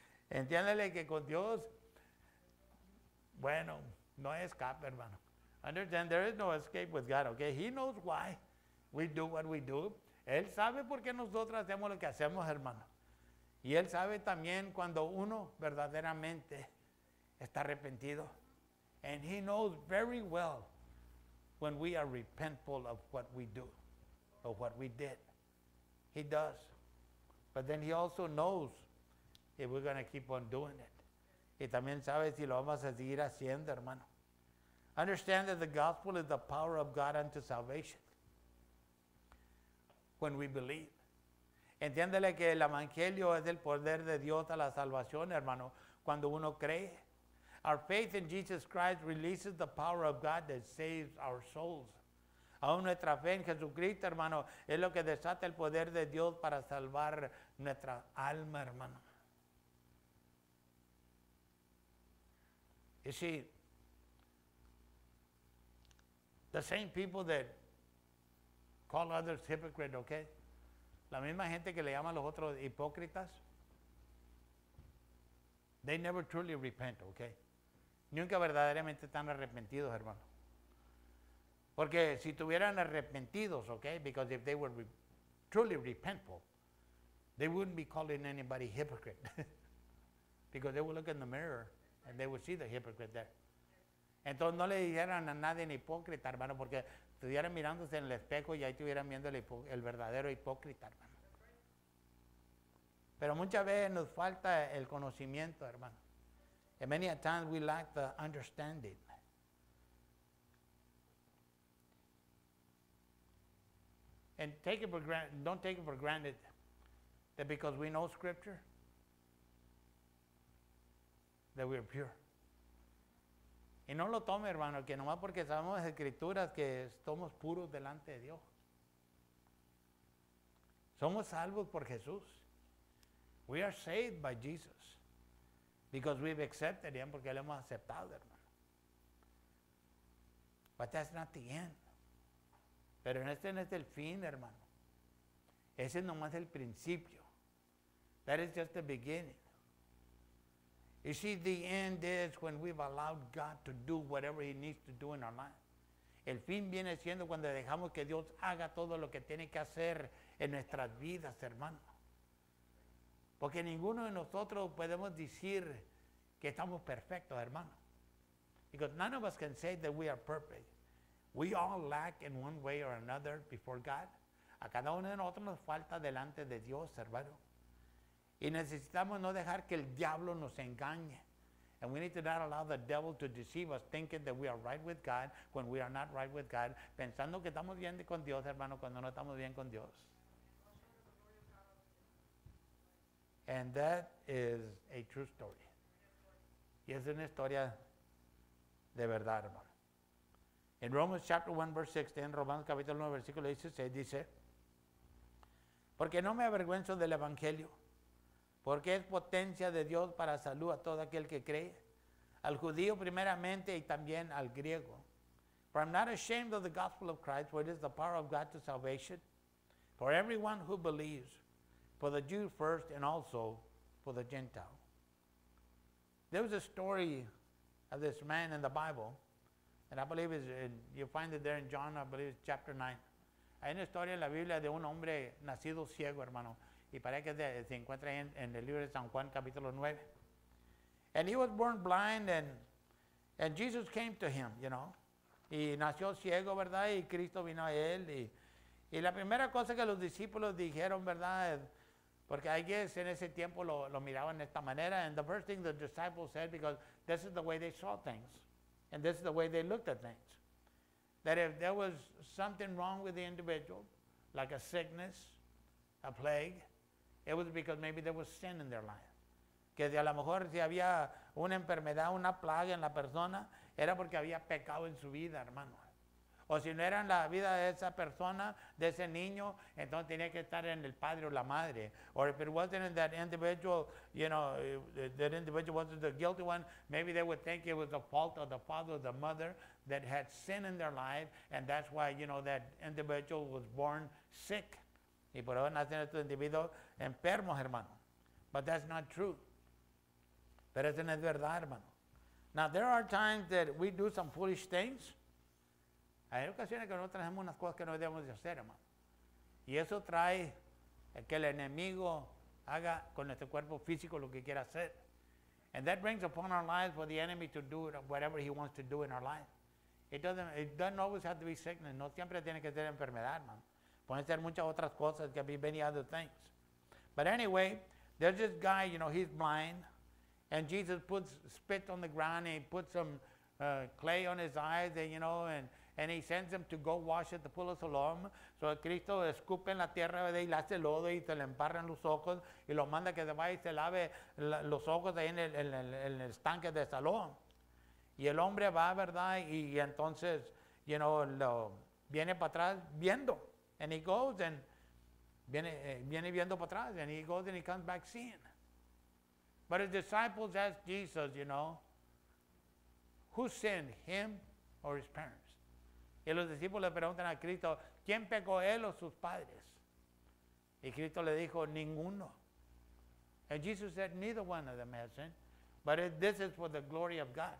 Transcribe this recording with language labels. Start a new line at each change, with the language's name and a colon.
Spanish: Entiéndale que con Dios, bueno, no hay escape, hermano.
English: Understand, there is no escape with God, okay? He knows why we do what we do.
Spanish: Él sabe por qué nosotros hacemos lo que hacemos, hermano. Y Él sabe también cuando uno verdaderamente está arrepentido.
English: And He knows very well when we are repentful of what we do, of what we did. He does. But then He also knows if we're going to keep on doing it.
Spanish: Y también sabe si lo vamos a seguir haciendo, hermano.
English: Understand that the gospel is the power of God unto salvation when we believe.
Spanish: Entiéndele que el evangelio es el poder de Dios a la salvación, hermano, cuando uno cree.
English: Our faith in Jesus Christ releases the power of God that saves our souls.
Spanish: Aún nuestra fe en Jesucristo, hermano, es lo que desata el poder de Dios para salvar nuestra alma, hermano.
English: You see, the same people that call others hypocrites, okay?
Spanish: La misma gente que le llama a los otros hipócritas,
English: they never truly repent,
Spanish: okay? Nunca verdaderamente están arrepentidos, hermano. Porque si tuvieran arrepentidos, okay?
English: Because if they were truly repentful, they wouldn't be calling anybody hypocrite. Because they would look in the mirror and they would see the hypocrite there.
Spanish: Entonces no le dijeran a nadie hipócrita, hermano, porque estuvieran mirándose en el espejo y ahí estuvieran viendo el verdadero hipócrita, hermano. Pero muchas veces nos falta el conocimiento, hermano.
English: And many a times we lack the understanding. And don't take it for granted that because we know scripture that we are pure.
Spanish: Y no lo tome, hermano, que nomás porque sabemos escrituras que somos puros delante de Dios. Somos salvos por Jesús.
English: We are saved by Jesus. Because we've accepted Him,
Spanish: porque Él hemos aceptado, hermano.
English: But that's not the end.
Spanish: Pero este no es el fin, hermano. Ese es nomás el principio.
English: That is just the beginning. You see, the end is when we've allowed God to do whatever He needs to do in our life.
Spanish: El fin viene siendo cuando dejamos que Dios haga todo lo que tiene que hacer en nuestras vidas, hermano. Porque ninguno de nosotros podemos decir que estamos perfectos, hermano.
English: Because none of us can say that we are perfect. We all lack in one way or another before God.
Spanish: A cada uno de nosotros nos falta delante de Dios, hermano. Y necesitamos no dejar que el diablo nos engañe.
English: And we need to not allow the devil to deceive us, thinking that we are right with God when we are not right with God.
Spanish: Pensando que estamos bien con Dios, hermano, cuando no estamos bien con Dios.
English: And that is a true story.
Spanish: Y es una historia de verdad, hermano.
English: In Romans chapter 1, verse 16,
Spanish: Romanos capítulo 1, versículo 16, dice, porque no me avergüenzo del Evangelio, porque es potencia de Dios para salud a todo aquel que cree, al judío primeramente y también al griego.
English: For I'm not ashamed of the gospel of Christ, for it is the power of God to salvation, for everyone who believes, for the Jew first and also for the Gentile. There was a story of this man in the Bible, and I believe it's in, you find it there in John, I believe it's chapter 9.
Spanish: Hay una historia en la Biblia de un hombre nacido ciego, hermano, y parece que se encuentra en el libro de San Juan, capítulo 9.
English: And he was born blind, and Jesus came to him, you know.
Spanish: Y nació ciego, ¿verdad? Y Cristo vino a él. Y la primera cosa que los discípulos dijeron, ¿verdad? Porque
English: I guess
Spanish: en ese tiempo lo miraban de esta manera.
English: And the first thing the disciples said, because this is the way they saw things, and this is the way they looked at things, that if there was something wrong with the individual, like a sickness, a plague, it was because maybe there was sin in their life.
Spanish: Que a lo mejor si había una enfermedad, una plaga en la persona, era porque había pecado en su vida, hermano. O si no era en la vida de esa persona, de ese niño, entonces tenía que estar en el padre o la madre.
English: Or if it wasn't in that individual, you know, that individual wasn't the guilty one, maybe they would think it was the fault of the father or the mother that had sin in their life, and that's why, you know, that individual was born sick.
Spanish: Y por eso nacen estos individuos enfermos, hermano.
English: But that's not true.
Spanish: Pero eso no es verdad, hermano.
English: Now, there are times that we do some foolish things.
Spanish: Hay ocasiones que nosotros hacemos unas cosas que no debemos de hacer, hermano. Y eso trae que el enemigo haga con nuestro cuerpo físico lo que quiera hacer.
English: And that brings upon our lives for the enemy to do whatever he wants to do in our life. It doesn't always have to be sickness.
Spanish: No siempre tiene que ser enfermedad, hermano. Pueden ser muchas otras cosas, que
English: be many other things. But anyway, there's this guy, you know, he's blind. And Jesus puts spit on the ground and he puts some clay on his eyes, and, you know, and he sends him to go wash at the pool of Siloam.
Spanish: So Cristo escupe en la tierra y le hace lodo y se le embarran los ojos y lo manda que se vaya y se lave los ojos ahí en el estanque de Siloam. Y el hombre va, ¿verdad? Y entonces,
English: you know,
Spanish: lo viene para atrás viendo.
English: And he goes and
Spanish: viene viendo para atrás.
English: And he goes and he comes back seeing. But his disciples asked Jesus, you know, who sinned, him or his parents?
Spanish: Y los discípulos le preguntan a Cristo, ¿quién pecó, él o sus padres? Y Cristo le dijo, ninguno.
English: And Jesus said, neither one of them has sinned, but this is for the glory of God.